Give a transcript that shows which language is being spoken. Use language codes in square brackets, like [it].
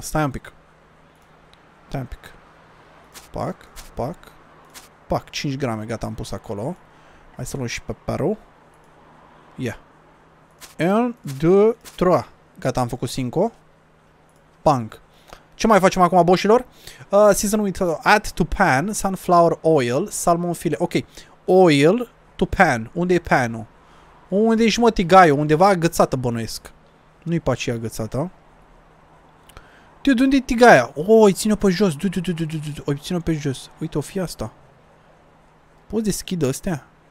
[ro] Stai un pic. Stai un pic. Pac, pac, pac. 5 grame, gata, am pus acolo. Hai să luăm și pepperul. Ia. 1, 2, 3. Gata, am făcut 5. Punk. Ce mai facem acum, boșilor? [en] Season with add to pan, sunflower oil, salmon filet. [ro] Ok, oil... to pan. Unde e panul? Unde ești, mă, tigaiul? Undeva agățată, bănuiesc. Nu-i pe aceea agățată. Dude, unde e tigaia? Oh, îi ține-o pe jos. O ține-o pe jos. Uite, o fi asta. Poți deschide astea?